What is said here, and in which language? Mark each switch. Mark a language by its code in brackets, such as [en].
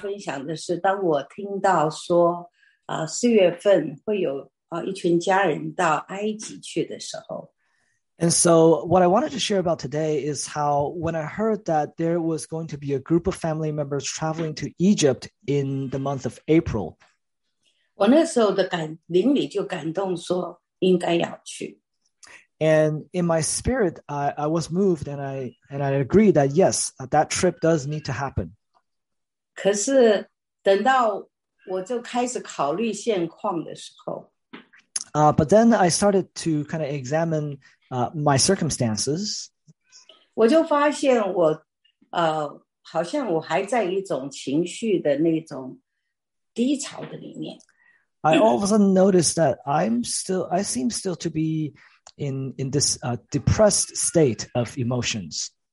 [zh] 那么我现在今天要主要分享的是，当我听到说， 4月份会有一群家人到埃及去的时候。 [en] And so what I wanted to share about today is how when I heard that there was going to be a group of family members traveling to Egypt in the month of April, [zh] 我那时候的灵里就感动说应该要去。 [en] And in my spirit, I was moved and I agreed that yes, that trip does need to happen. [zh] 可是等到我就开始考虑现况的时候, [en] but then I started to kind of examine my circumstances. [zh] 我就发现我, 好像我还在一种情绪的那种低潮的里面。 [en] I all of a sudden noticed that I seem still to be in this depressed state of emotions.